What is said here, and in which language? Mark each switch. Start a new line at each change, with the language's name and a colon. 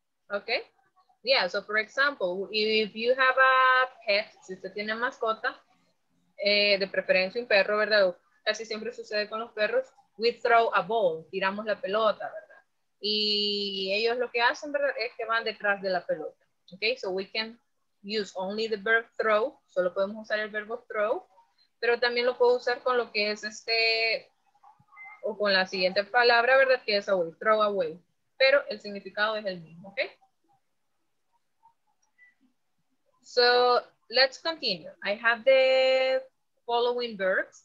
English: Ok. Yeah, so for example, if you have a pet,
Spanish: si usted tiene mascota, de preferencia un perro, ¿verdad? Casi siempre sucede con los perros.
English: We throw a ball,
Spanish: tiramos la pelota, ¿verdad? Y ellos lo que hacen, ¿verdad? Es que van detrás de la pelota.
English: Okay, so we can use only the verb throw.
Spanish: Solo podemos usar el verbo throw. Pero también lo puedo usar con lo que es este, o con la siguiente palabra, ¿verdad? Que es away, throw away. Pero el significado es el mismo, okay?
English: So let's continue. I have the following verbs.